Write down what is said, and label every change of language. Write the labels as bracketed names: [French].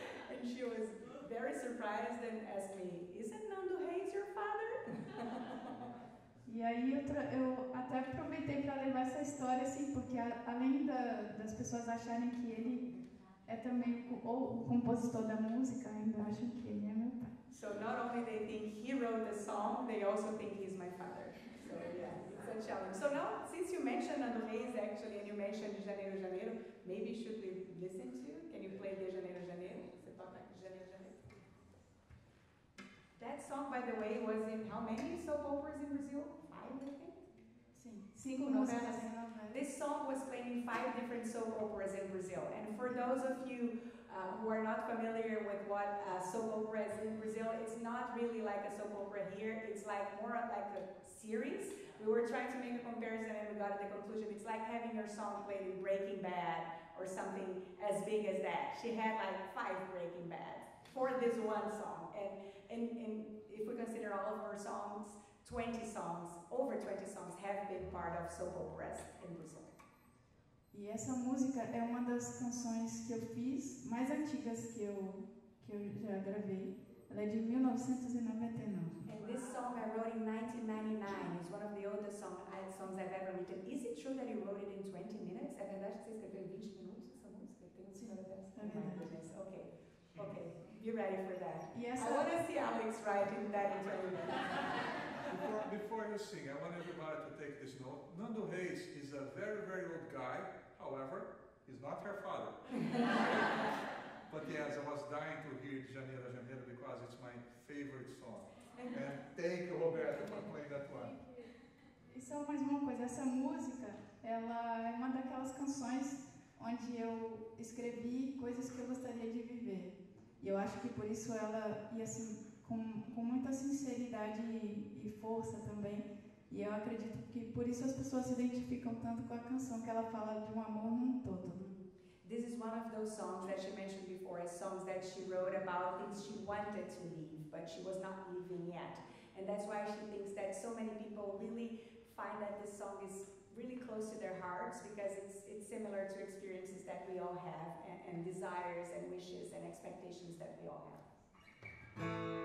[English] And she was very surprised and asked me, isn't Nando Reis your father? [Portuguese] E aí eu até aproveitei para levar essa história, assim, porque além das pessoas acharem que ele é também o compositor da música, ainda acham que ele é meu pai. [English] So not only they think he wrote the song, they also think he's my father. So yeah, it's a challenge. So now, since you mentioned Nando Reis, actually, and you mentioned Janeiro, Janeiro, maybe should we listen to you? Can you play the Janeiro, Janeiro? [Portuguese] Você toca Janeiro, Janeiro? [English] That song, by the way, was in how many soap operas in Brazil? Five, I think? [Portuguese] Sim. Cinco novelas. [English] This song was played in five different soap operas in Brazil. And for those of you who are not familiar with what a soap opera is in Brazil, it's not really like a soap opera here. It's like more like a series. We were trying to make a comparison and we got to the conclusion. It's like having your song played in Breaking Bad or something as big as that. She had like five Breaking Bads for this one song. And if we consider all of her songs, 20 songs, over 20 songs have been part of soap operas in Brazil. [Portuguese] E essa música é uma das canções que eu fiz, mais antigas que eu já gravei. Ela é de 1999. [English] And this song I wrote in 1999 is one of the oldest songs I've ever written. Is it true that you wrote it in 20 minutes? [Portuguese] É verdade que você escreveu em 20 minutos essa música? Tem um senhor dessa? É verdade. [English] Okay. Okay. You ready for that? Yes. I want to see Alex writing that in 20 minutes. Before you sing, I want everybody to take this note. Nando Reis is a very, very old guy. However, he's not her father. But yes, I was dying to hear Janeiro, Janeiro because it's my favorite song. And thank you, Roberta, for playing that one. [Portuguese] E só mais uma coisa. Essa música, ela é uma daquelas canções onde eu escrevi coisas que eu gostaria de viver. E eu acho que por isso ela ia assim. Com muita sinceridade e força também. E eu acredito que por isso as pessoas se identificam tanto com a canção, que ela fala de amor num todo. [English] This is one of those songs that she mentioned before, as songs that she wrote about things she wanted to leave, but she was not leaving yet. And that's why she thinks that so many people really find that this song is really close to their hearts, because it's similar to experiences that we all have, and desires and wishes and expectations that we all have.